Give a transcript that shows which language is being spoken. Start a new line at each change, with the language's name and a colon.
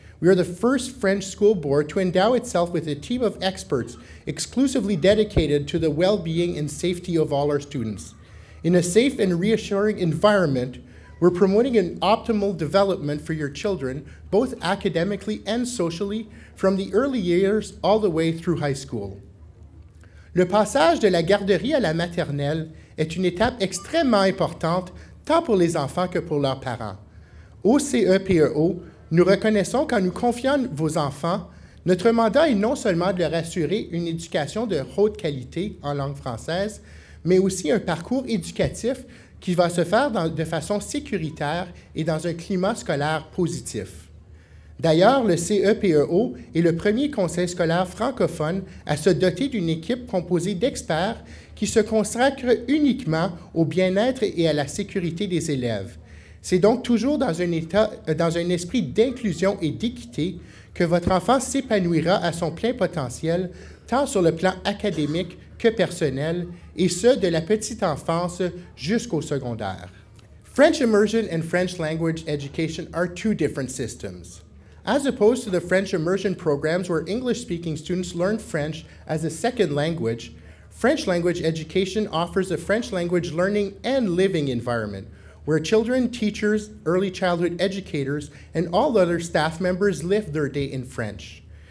English: We are the first French school board to endow itself with a team of experts exclusively dedicated to the well-being and safety of all our students. In a safe and reassuring environment, we're promoting an optimal development for your children, both academically and socially, from the early years all the way through high school.
French: Le passage de la garderie à la maternelle est une étape extrêmement importante tant pour les enfants que pour leurs parents. Au CEPEO, nous reconnaissons qu'en nous confiant vos enfants, notre mandat est non seulement de leur assurer une éducation de haute qualité en langue française, mais aussi un parcours éducatif qui va se faire de façon sécuritaire et dans un climat scolaire positif. D'ailleurs, le CEPEO est le premier conseil scolaire francophone à se doter d'une équipe composée d'experts qui se consacrent uniquement au bien-être et à la sécurité des élèves. C'est donc toujours dans un esprit d'inclusion et d'équité que votre enfant s'épanouira à son plein potentiel, tant sur le plan académique que personnel, et ce, de la petite enfance jusqu'au secondaire.
English: French immersion and French language education are two different systems. As opposed to the French immersion programs where English-speaking students learn French as a second language, French language education offers a French language learning and living environment where children, teachers, early childhood educators, and all other staff members live their day in French.